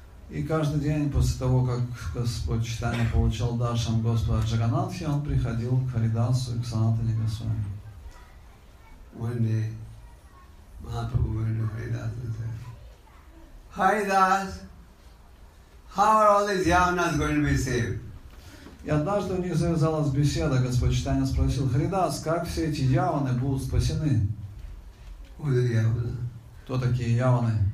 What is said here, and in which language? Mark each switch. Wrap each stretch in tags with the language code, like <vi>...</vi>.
<ru>И каждый день после того, как Господь Чайтанья получал даршан Господа Джаганатхи, он приходил к Харидасу и к Санатане Госвами.</ru> <en>One day, Mahaprabhu went to Haridas and said, Haridas, how are all these yavanas going to be saved?</en> <ru>И однажды у них завязалась беседа, Господь Чайтанья спросил, Харидас, как все эти яваны будут спасены? Кто такие яваны?</ru>